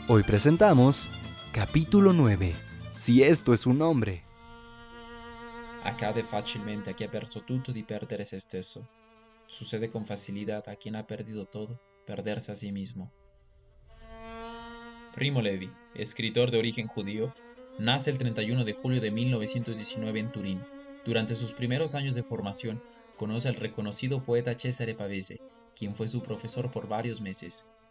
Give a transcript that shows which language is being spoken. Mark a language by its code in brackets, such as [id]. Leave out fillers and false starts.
[es] Hoy presentamos Capítulo 9, Si esto es un nombre. [it] Accade facilmente a chi ha perso tutto di perdere se stesso. [es] Sucede con facilidad a quien ha perdido todo, perderse a sí mismo. Primo Levi, escritor de origen judío, nace el 31 de julio de 1919 en Turín. Durante sus primeros años de formación, conoce al reconocido poeta Cesare Pavese, quien fue su profesor por varios meses.